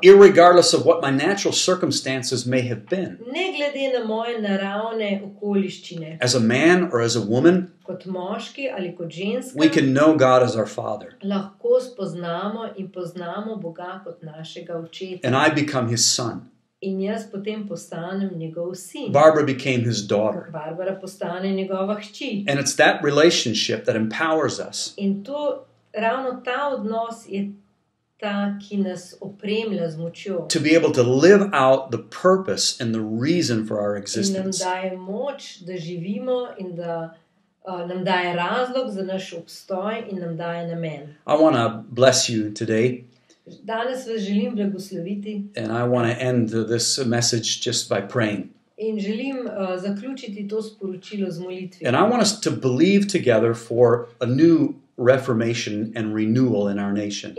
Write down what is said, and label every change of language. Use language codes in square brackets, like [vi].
[en] Irregardless of what my natural circumstances may have been. [sl] Ne glede na moje naravne okoliščine. [en] As a man or as a woman, [sl] kot moški ali kot ženska, [en] we can know God as our Father. [sl] Lahko spoznamo in poznamo Boga kot našega očeta. [en] And I become his son. [sl] In jaz potem postanem njegov sin. [en] Barbara became his daughter. [sl] Barbara postane njegova hči. [en] And it's that relationship that empowers us. [sl] In to ravno ta odnos je ta, ki nas opremlja z močjo. [en] To be able to live out the purpose and the reason for our existence. [sl] In nam daje moč, da živimo in da nam daje razlog za naš obstoj in nam daje namen. [en] I want to bless you today. [sl] Danes vas želim blagosloviti. [en] And I want to end this message just by praying. [sl] In želim zaključiti to sporočilo z molitvijo. [en] And I want us to believe together for a new reformation and renewal in our nation.